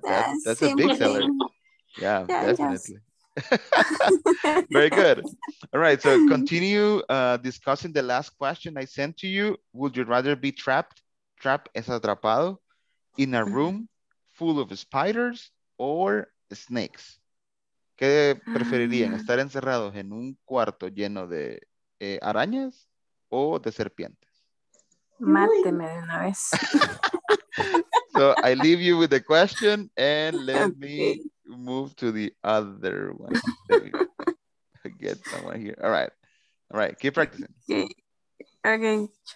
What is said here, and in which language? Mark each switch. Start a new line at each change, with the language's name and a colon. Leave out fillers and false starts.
English: That's a big seller. Yeah, definitely. Yes. Very good. All right, so continue discussing the last question I sent to you. Would you rather be trapped
Spanish: es atrapado,
English: in a room full of spiders or snakes?
Spanish: ¿Qué preferirían, estar encerrados en un cuarto lleno de arañas o de serpientes? Máteme de una vez.
English: So I leave you with the question and let me move to the other one. Get someone here. All right. All right. Keep practicing. Okay.